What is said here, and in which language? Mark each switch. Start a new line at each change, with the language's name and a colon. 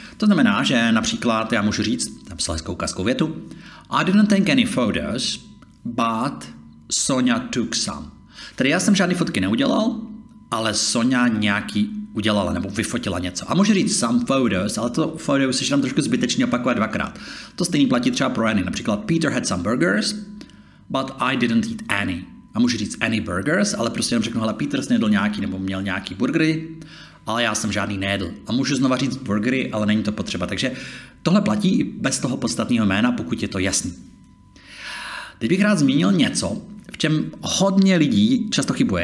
Czech: To znamená, že například já můžu říct, napsal hezkou kaskou větu,
English: I didn't take any photos, but Sonia took some.
Czech: Tedy já jsem žádný fotky neudělal, ale Sonia nějaký udělala nebo vyfotila něco. A můžu říct some photos, ale to photos se tam trošku zbytečně opakovat dvakrát. To stejný platí třeba pro any.
English: Například Peter had some burgers, but I didn't eat any.
Czech: A můžu říct any burgers, ale prostě jenom řeknu, hele, Peter snědl nějaký nebo měl nějaký burgery, ale já jsem žádný nejedl. A můžu znova říct burgery, ale není to potřeba. Takže tohle platí i bez toho podstatného jména, pokud je to jasný. Teď bych rád zmínil něco, v čem hodně lidí často chybuje.